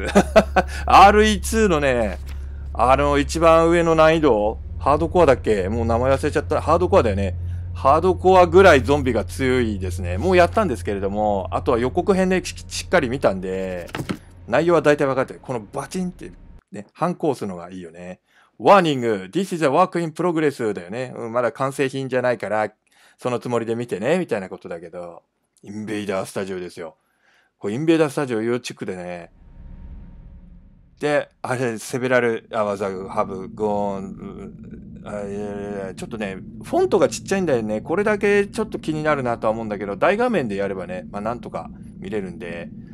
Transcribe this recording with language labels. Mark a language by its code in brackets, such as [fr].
[ja] RE2 のね、一番上の難易度、ハードコアだっけ？もう名前忘れちゃった。ハードコアだよね。ハードコアぐらいゾンビが強いですね。もうやったんですけれども、あとは予告編で、ね、しっかり見たんで、内容は大体分かってる。このバチンってね、反抗するのがいいよね。 [en] ワーニング !This is a work in progress! [ja] だよね、うん。まだ完成品じゃないから、そのつもりで見てね、みたいなことだけど。インベイダースタジオですよ。これインベイダースタジオ要チェックでね。で、あれ、 [en] セベラルアワザグハブゴーン。 [ja] ちょっとね、フォントがちっちゃいんだよね。これだけちょっと気になるなとは思うんだけど、大画面でやればね、まあなんとか見れるんで。